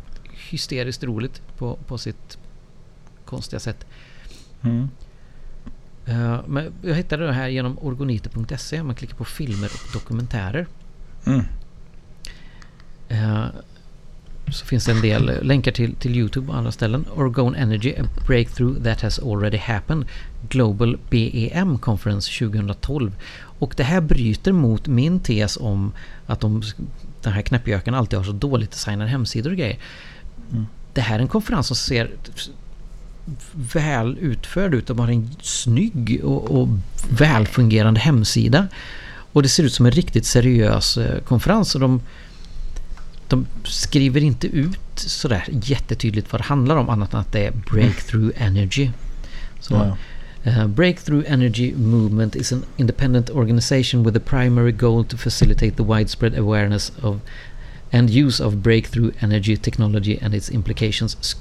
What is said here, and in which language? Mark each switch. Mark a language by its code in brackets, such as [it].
[sv] Hysteriskt roligt på sitt konstiga sätt. Men jag hittade det här genom orgoniter.se. Man klickar på filmer och dokumentärer. Så finns det en del länkar till YouTube och andra ställen. [en] Orgone Energy, a breakthrough that has already happened. Global BEM conference 2012. [sv] Och det här bryter mot min tes om att den här knäppjöken alltid har så dåligt designade hemsidor och grejer. Det här är en konferens som ser väl utförd ut. De har en snygg och välfungerande hemsida. Och det ser ut som en riktigt seriös konferens. Och de skriver inte ut så där jättetydligt vad det handlar om, annat än att det är Breakthrough Energy. [en] Så, Breakthrough Energy Movement is an independent organization with a primary goal to facilitate the widespread awareness of and use of breakthrough energy technology and its implications.